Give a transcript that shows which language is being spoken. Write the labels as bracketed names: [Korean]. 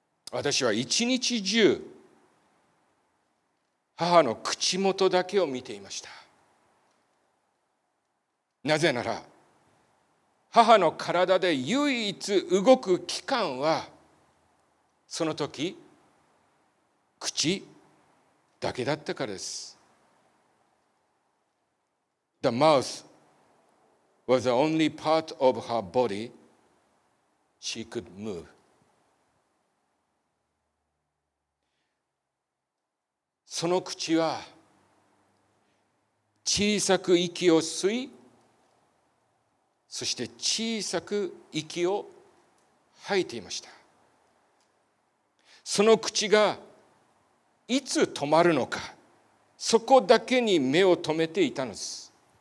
[Japanese] 私は一日中母の口元だけを見ていました。なぜなら母の体で唯一動く器官はその時口だけだったからです。 [English] The mouth was the only part of her body she could move。 [Japanese] その口は小さく息を吸い、そして小さく息を吐いていました。その口がいつ止まるのか、そこだけに目を留めていたのです。